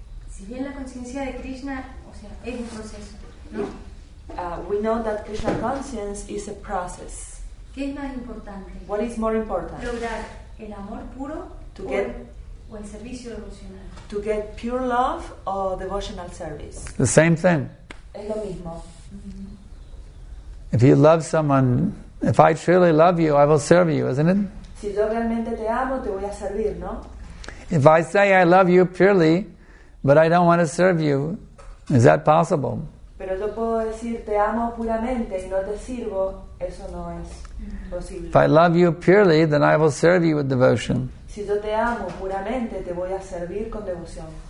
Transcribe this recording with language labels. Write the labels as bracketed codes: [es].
[es] Si bien la conciencia de Krishna, o sea, es un proceso, ¿no? [en] We know that Krishna conscience is a process. [es] ¿Qué es más importante? [en] What is more important? [es] Lograr el amor puro [en] to get, [es] o el servicio devocional. [en] To get pure love or devotional service. The same thing. [es] Es lo mismo. Mm-hmm. [en] If you love someone, if I truly love you, I will serve you, isn't it? [es] Si yo realmente te amo, te voy a servir, ¿no? [en] If I say I love you purely, but I don't want to serve you, is that possible? [es] Pero yo puedo decir te amo puramente y no te sirvo, eso no es posible. [en] If I love you purely, then I will serve you with devotion. [es] Si yo te amo puramente, te voy a servir con devoción.